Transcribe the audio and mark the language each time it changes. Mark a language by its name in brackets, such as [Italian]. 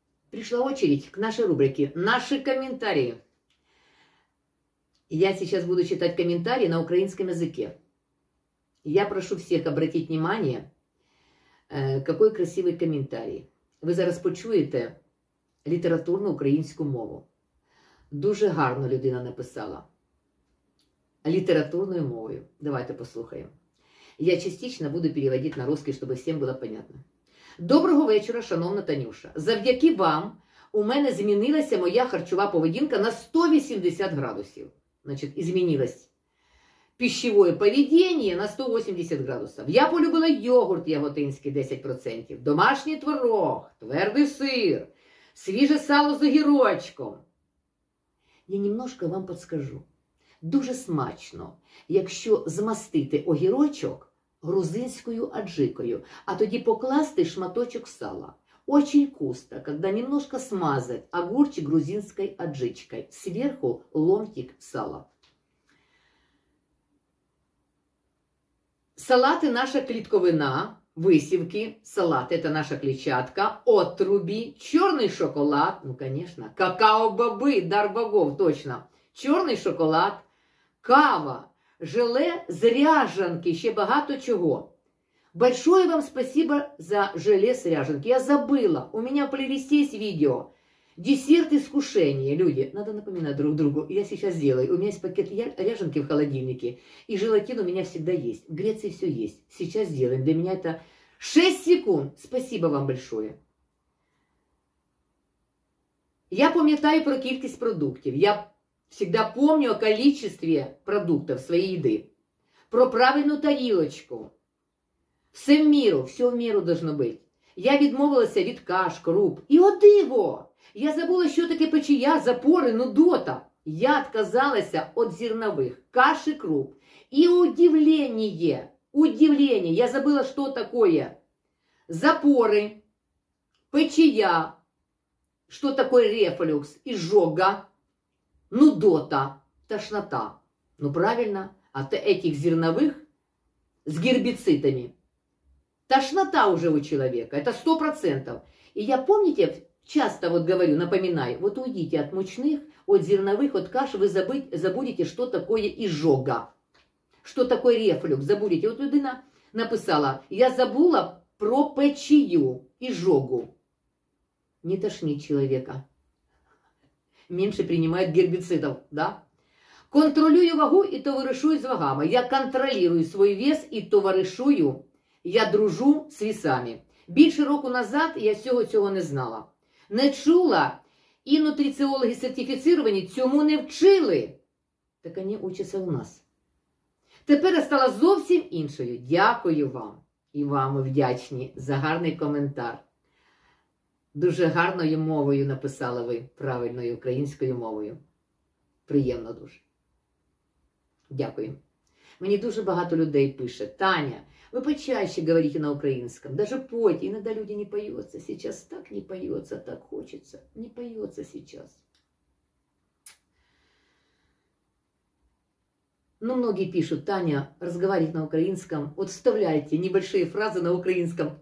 [Russian] Пришла очередь к нашей рубрике «Наши комментарии». Я сейчас буду читать комментарии на украинском языке. Я прошу всех обратить внимание, какой красивый комментарий. [Ukrainian] Ви зараз почуєте літературну українську мову. Дуже гарно людина написала. Літературною мовою. Давайте послухаємо. [Russian] Я частично буду [Ukrainian] переводити на русский, щоб всім було понятно. Доброго вечора, шановна Танюша. Завдяки вам у мене змінилася моя харчова поведінка на 180 градусів. Значить, змінилась. [Russian] Пищевое поведение на 180 градусов. Я полюбила йогурт яготинский 10%, домашний творог, твердый сыр, свежее сало с огурчиком. Я немножко вам подскажу. [Ukrainian] Дуже смачно, якщо змастити огурчик грузинською аджикою, а тоді покласти шматочок сала. [Russian] Очень вкусно, когда немножко смазать огурчик грузинской аджичкой. Сверху ломтик сала. Салаты – наша клетковина, высевки, салат – это наша клетчатка, отруби, черный шоколад, ну, конечно, какао-бобы, дар богов, точно, черный шоколад, кава, желе, зряженки, еще багато чего. Большое вам спасибо за желе с ряженки. Я забыла, у меня в плейлисте есть видео. Десерт искушения, люди, надо напоминать друг другу, я сейчас сделаю. У меня есть пакет ряженки в холодильнике, и желатин у меня всегда есть. В Греции все есть, сейчас сделаем. Для меня это 6 секунд. Спасибо вам большое. [Ukrainian] Я пам'ятаю про кількість продуктів. [Russian] Я всегда помню о количестве продуктов своей еды. Про правильную тарілочку. Все в меру, все в меру должно быть. [Ukrainian] Я відмовилася від каш, круп. І о диво! Я забула, що таке печія, запори, нудота. Я відмовилася від зернових, каш і круп. І удивлення, удивлення. Я забула, що таке запори, печія, що таке рефлюкс, ізжога, нудота, тошнота. Ну, правильно, а то цих зернових з гербіцидами. [Russian] Тошнота уже у человека, это 100%. И я, помните, часто вот говорю, напоминаю, вот уйдите от мучных, от зерновых, от каш, вы забудете, что такое изжога, что такое рефлюкс, забудете. Вот [Ukrainian] людина написала, я забула [Russian] про печию, изжогу. Не тошни человека. Меньше принимает гербицидов, да? [Ukrainian] Контролюю вагу и товаришую с вагами. [Russian] Я контролирую свой вес и товаришую. Я дружу с весами. [Ukrainian] Більше року назад я всього цього не знала. Не чула, і нутриціологи сертифіцировані цьому не вчили. Так вони учаться у нас. Тепер я стала зовсім іншою. Дякую вам. І вам вдячні за гарний коментар. Дуже гарною мовою написали ви, правильною українською мовою. Приємно дуже. Дякую. Мені дуже багато людей пише. [Russian] Таня, вы почаще говорите на украинском. Даже пойте. Иногда люди не поются. Сейчас так не поется, так хочется. Не поется сейчас. Ну, многие пишут, Таня, разговаривать на украинском. Вот вставляйте небольшие фразы на украинском.